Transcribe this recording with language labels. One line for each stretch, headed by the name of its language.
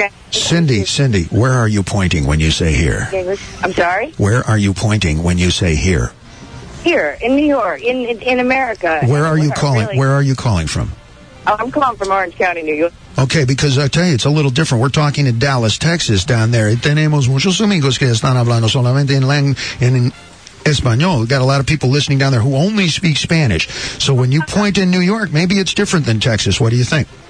English: Cindy, where are you pointing when you say here? English. I'm sorry? Where are you pointing when you say here? Here, in New York, in America. Where are you calling from? I'm calling from Orange County, New York. Okay, because I tell you, it's a little different. We're talking in Dallas, Texas, down there.
Spanish: Tenemos muchos amigos que están hablando solamente en español.
English: We've got a lot of people listening down there who only speak Spanish. So when you point in New York, maybe it's different than Texas. What do you think?